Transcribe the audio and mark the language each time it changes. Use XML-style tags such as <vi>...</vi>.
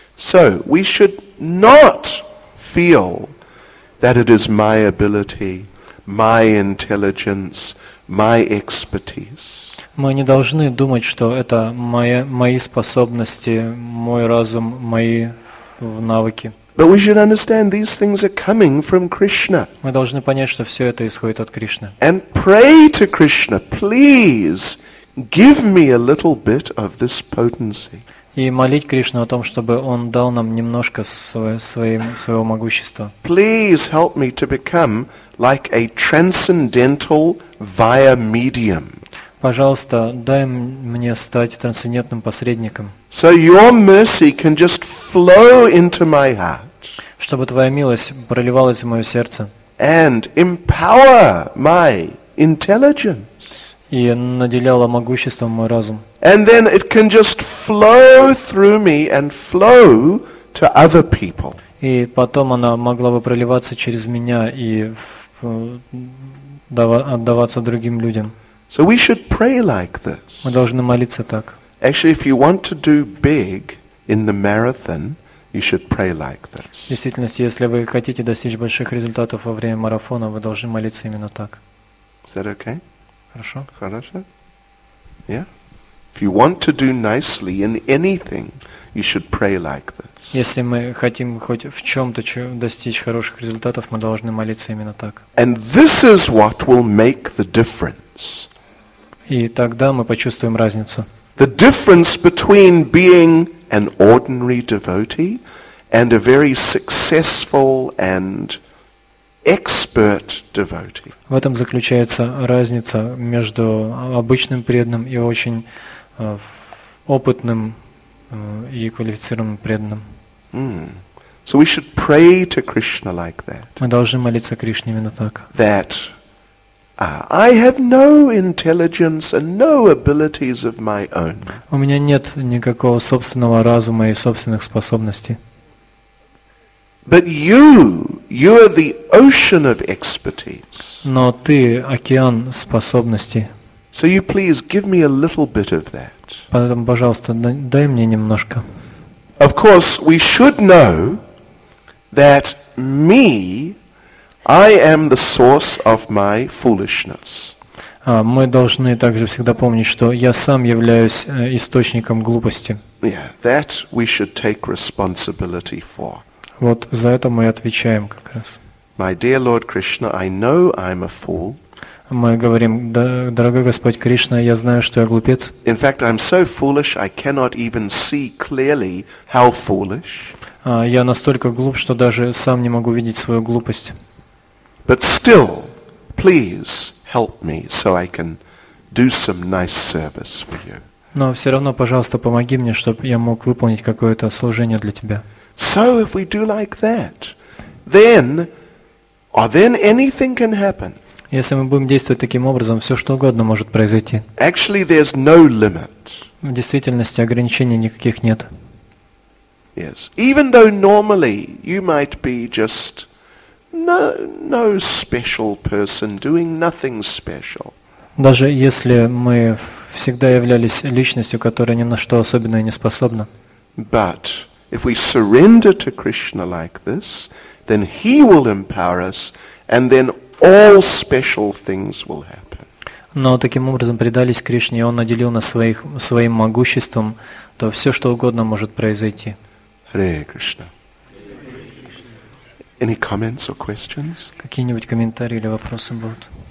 <en>So we should not feel that it is my ability, my intelligence, my expertise.</en> <ru>Мы не должны думать, что это мои способности, мой разум, мои навыки.</ru> <en>But we should understand these things are coming from Krishna.</en> <ru>Мы должны понять, что все это исходит от Кришны.</ru> <en>And pray to Krishna, please give me a little bit of this potency.</en> <ru>И молить Кришну о том, чтобы он дал нам немножко своего могущества.</ru> <en>Please help me to become like a transcendental via medium.</en> <ru>Пожалуйста, дай мне стать трансцендентным посредником.</ru> <en>So your mercy can just flow into my heart.</en> <ru>Чтобы твоя милость проливалась в мое сердце.</ru> <en>And empower my intelligence.</en> <ru>И наделяла могуществом мой разум.</ru> <en>And then it can just flow through me and flow to other people.</en> <ru>И потом она могла бы проливаться через меня и отдаваться другим людям.</ru> <en>So we should pray like this.</en> <ru>Мы должны молиться так.</ru> <en>Actually, if you want to do big in the marathon, you should pray like this.</en> <ru>В действительности, если вы хотите достичь больших результатов во время марафона, вы должны молиться именно так.</ru> <en>Is that okay?</en> <ru>Хорошо. Хорошо. Yeah.</ru> <en>If you want to do nicely in anything, you should pray like this.</en> <ru>Если мы хотим хоть в чем-то достичь хороших результатов, мы должны молиться именно так.</ru> <en>And this is what will make the difference.</en> <ru>И тогда мы почувствуем разницу.</ru> <en>The difference between being an ordinary devotee and a very successful and expert devotee.</en> <ru>В этом заключается разница между обычным преданным и очень опытным и квалифицированным преданным.</ru> <en>So we should pray to Krishna like that.</en> <ru>Мы должны молиться Кришне именно так.</ru> <en>That I have no intelligence and no abilities of my own.</en> <ru>У меня нет никакого собственного разума и собственных способностей.</ru> <en>But you are the ocean of expertise.</en> <ru>Но ты океан способностей.</ru> <en>So you please give me a little bit of that.</en> <ru>Поэтому, пожалуйста, дай мне немножко.</ru> <en>Of course, we should know that me, I am the source of my foolishness.</en> <ru>Мы должны также всегда помнить, что я сам являюсь источником глупости.</ru> <en>Yeah, that we should take responsibility for.</en> <ru>Вот за это мы отвечаем как раз.</ru> <en>My dear Lord Krishna, I know I'm a fool.</en> <ru>Мы говорим: дорогой Господь Кришна, я знаю, что я глупец.</ru> <en>In fact, I'm so foolish, I cannot even see clearly how foolish.</en> <ru>Я настолько глуп, что даже сам не могу видеть свою глупость.</ru> <en>But still, please help me so I can do some nice service for you.</en> <ru>Но все равно, пожалуйста, помоги мне, чтобы я мог выполнить какое-то служение для тебя.</ru> <en>So if we do like that, then, or then anything can happen.</en> <ru>Если мы будем действовать таким образом, все что угодно может произойти.</ru> <en>Actually, there's no limit.</en> <ru>В действительности ограничений никаких нет.</ru> <en>Yes, even though normally you might be just no special person doing nothing special.</en> <ru>Даже если мы всегда являлись личностью, которая ни на что особенное не способна.</ru> <en>But if we surrender to Krishna like this, then He will empower us, and then all special things will happen.</en> <ru>Но таким образом предались Кришне, и Он наделил нас своим могуществом, то все, что угодно может произойти.</ru> <en>Hare Krishna. Any comments or questions?</en> <ru>Какие-нибудь комментарии или вопросы будут?</ru>